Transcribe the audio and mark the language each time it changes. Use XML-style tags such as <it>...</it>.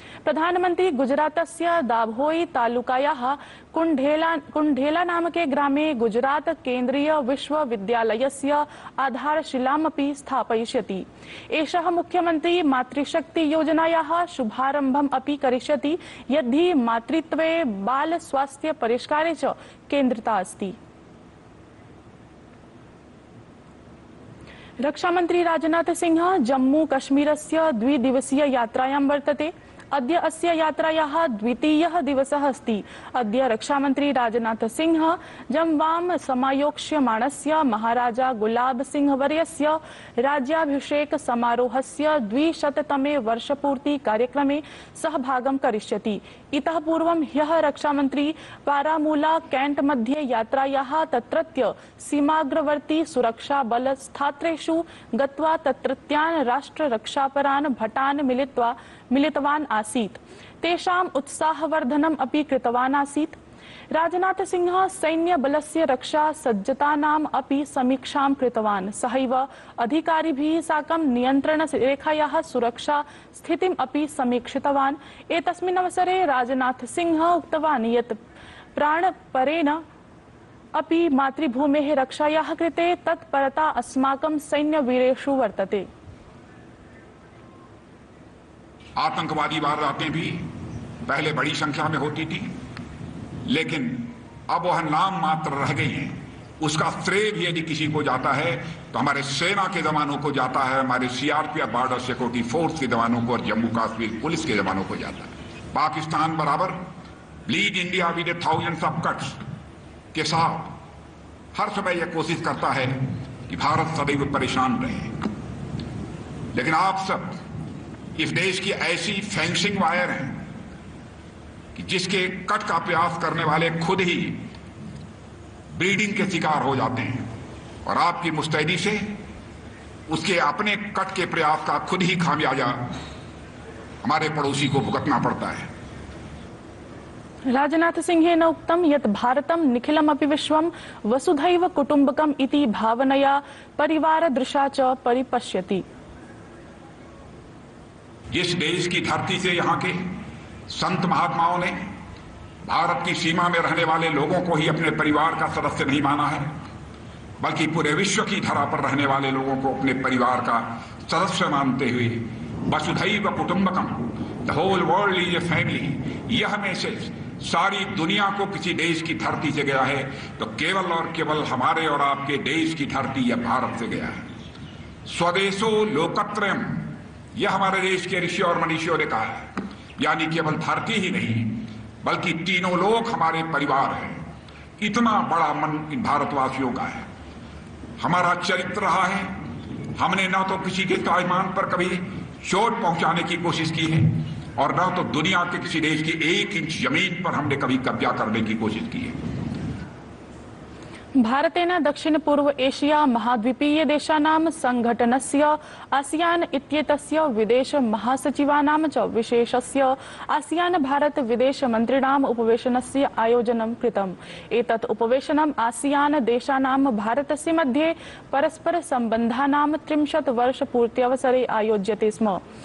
<sa>प्रधानमंत्री गुजरातस्य दाभोई तालुकायाः कुंढेला नामके ग्रामे गुजरात केन्द्रीय विश्वविद्यालयस्य आधारशिलामपि स्थापयिष्यति। एषः मुख्यमंत्री मातृशक्ति योजनायाः शुभारम्भम् अपि करिष्यति, यद्धि मातृत्वे बाल स्वास्थ्य परिष्कारे च केन्द्रिता अस्ति। रक्षामंत्री राजनाथ सिंह जम्मू कश्मीरस्य द्विदिवसीय यात्रायां वर्तते। अद्य अस्य यात्रायाः द्वितीयः दिवसः अस्ति। अद्य रक्षामंत्री राजनाथ सिंह जम्वां समायोक्ष्यमाणस्य महाराजा गुलाब सिंह वर्यस्य राज्याभिषेक समारोहस्य 200वें वर्षपूर्ति कार्यक्रमे सहभागं करिष्यति। इतः पूर्वं ह्यः रक्षामंत्री बारामूला कैंट मध्ये यात्रायाः तत्रत्य सीमाग्रवर्ती सुरक्षाबल स्थात्रेषु गत्वा तत्रत्यान् राष्ट्ररक्षापरान् भटान् मिलितवान् आसीत्। तेषाम् उत्साहवर्धनम् अपि कृतवान् आसीत्। राजनाथ सिंह सैन्यबलस्य रक्षा सज्जतानाम् अपि समीक्षां कृतवान्। सहैव अधिकारिभिः साकं नियन्त्रणरेखायाः सुरक्षा स्थितिम् अपि समीक्षितवान्। एतस्मिन् अवसरे राजनाथ सिंह उक्तवान् यत् प्राणपरेण अपि मातृभूमेः रक्षायाः कृते तत्परता अस्माकं सैन्यवीरेषु वर्तते।</sa> <hi>आतंकवादी वारदातें भी पहले बड़ी संख्या में होती थी, लेकिन अब वह नाम मात्र रह गई हैं। उसका श्रेय भी यदि किसी को जाता है तो हमारे सेना के जवानों को जाता है, हमारे सीआरपीएफ बॉर्डर सिक्योरिटी फोर्स के जवानों को और जम्मू कश्मीर पुलिस के जवानों को जाता है। पाकिस्तान बराबर लीड इंडिया विद 1,000 सबकट्स के साथ हर समय यह कोशिश करता है कि भारत सदैव परेशान रहे, लेकिन आप सब इस देश की ऐसी फेंसिंग वायर है कि जिसके कट का प्रयास करने वाले खुद ही ब्रीडिंग के शिकार हो जाते हैं और आपकी मुस्तैदी से उसके अपने कट के प्रयास का खुद ही खामियाजा हमारे पड़ोसी को भुगतना पड़ता है।</hi> <sa>राजनाथ सिंहेन उक्तं यत् भारतं निखिलमपि विश्वं वसुधैव कुटुम्बकम् इति भावनया परिवारदृशा च परिपश्यति।</sa> <hi>जिस देश की धरती से यहाँ के संत महात्माओं ने भारत की सीमा में रहने वाले लोगों को ही अपने परिवार का सदस्य नहीं माना है, बल्कि पूरे विश्व की धरा पर रहने वाले लोगों को अपने परिवार का सदस्य मानते हुए वसुधैव कुटुम्बकम</hi> <en>the whole world is a family,</en> <hi>यह मैसेज सारी दुनिया को किसी देश की धरती से गया है तो केवल और केवल हमारे और आपके देश की धरती या भारत से गया है।</hi> <sa>स्वदेशो लोकत्रयम,</sa> <hi>यह हमारे देश के ऋषि और मनीषियों ने कहा है, यानी केवल धरती ही नहीं बल्कि तीनों लोक हमारे परिवार हैं। इतना बड़ा मन इन भारतवासियों का है, हमारा चरित्र रहा है, हमने ना तो किसी के स्वाभिमान पर कभी चोट पहुंचाने की कोशिश की है और ना तो दुनिया के किसी देश की एक इंच जमीन पर हमने कभी कब्जा करने की कोशिश की है।</hi> <sa>भारतेन दक्षिण पूर्व एशिया महाद्वीपीय देशानां संघटनस्य आसियान इत्येतस्य विदेश महासचिवानां च विशेषस्य आसियान भारत विदेश मंत्रिणां उपवेशनस्य आयोजनं कृतम्। एतत् उपवेशनम् आसियान देशानां भारतस्य मध्ये परस्पर संबंधानां 30वर्षपूर्त्यवसरे आयोज्यते स्म।</sa>